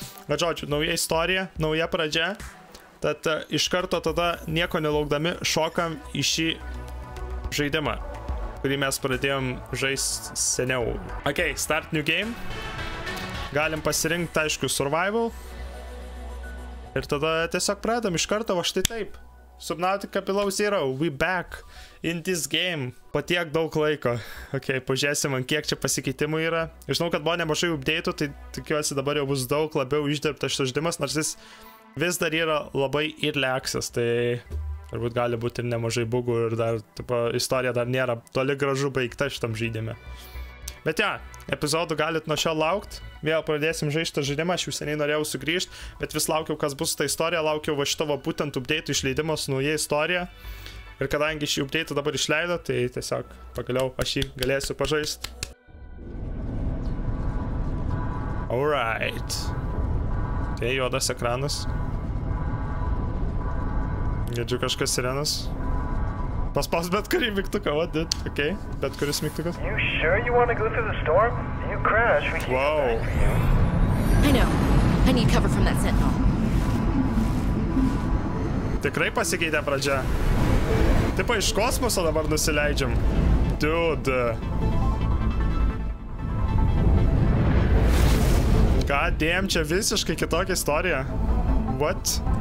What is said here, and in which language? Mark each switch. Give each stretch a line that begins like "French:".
Lithuanian: Bet žodžiu, nauja istorija, nauja pradžia. Tad iš karto tada nieko nelaukdami šokam į šį žaidimą, kurį mes pradėjom žaist seniau.
English: Ok, start new game.
Lithuanian: Galim pasirinkti, aišku, survival. Ir tada tiesiog pradedam iš karto, va štai taip.
English: Subnautica Below Zero, we back in this game.
Lithuanian: Po tiek daug laiko. Ok, pažiūrėsim, kiek čia pasikeitimų yra. Žinau, kad buvo nemažai update'ų, tai tikiuosi dabar jau bus daug labiau išdirbtas šitas žaidimas, nors jis vis dar yra labai ir leksas, tai... Turbūt gali būti ir nemažai bugų ir dar, tipo, istorija dar nėra toli gražu baigta šitam žaidime. Bet ja, epizodų galit nuo šio laukt. Vėl pradėsim žaisti žaidimą, aš jau seniai norėjau sugrįžti, bet vis laukiau, kas bus su ta istorija, laukiau va šito va būtent update išleidimo su nauja istorija. Ir kadangi šį update dabar išleido, tai tiesiog pagaliau aš jį galėsiu pažaisti. Alright. Tai juodas ekranas. Girdžiu kažkas sirenas. Paspaus bet kurį mygtuką,
English: what did?
Lithuanian: Ok, bet kuris mygtukas.
English: You sure you wanna go through the storm? If you crash, we can't wow. Die for you. I know. I need cover from that sentinel.
Lithuanian: Tikrai pasikeitė pradžia. Tipo iš kosmoso dabar nusileidžiam. Dude.
English: God damn,
Lithuanian: čia visiškai kitokia istorija.
English: What?